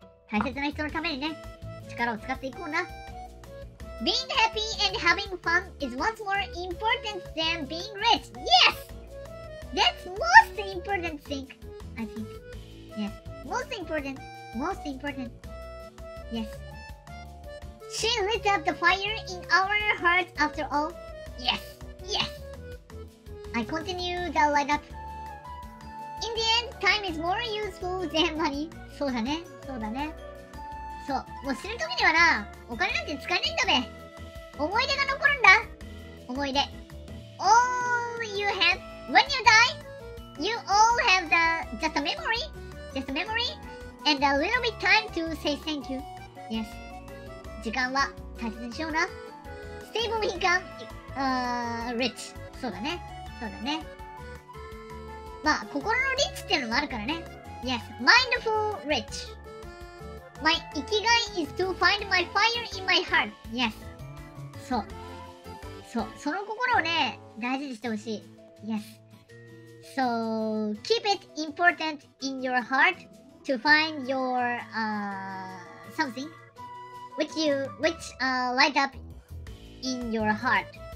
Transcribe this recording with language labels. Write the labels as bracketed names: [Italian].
[Japanese] 大切な人のためにね、力を使っていこうな。 [English] Being happy and having fun is once more important than being rich. Yes! That's most important thing, I think. Yes. Most important. Yes. She lit up the fire in our hearts after all. Yes. I continue the light up. In the end, time is more useful than money. [Japanese] そうだね。そう。もう死ぬ時にはな、お金なんて使えないんだべ。思い出が残るんだ。思い出。 [English] When you die, you all have just a memory, and a little bit time to say thank you. Yes. [Japanese] 時間は大切にしような。 [English] Stable income, rich. [Japanese] そうだね。まあ、心のリッチっていうのもあるからね。 [English] Yes. Mindful rich. My 生きがい is to find my fire in my heart. Yes. [Japanese] そう、その心をね、大事にしてほしい。 [English] Yes. So, keep it important in your heart to find your, something which light up in your heart.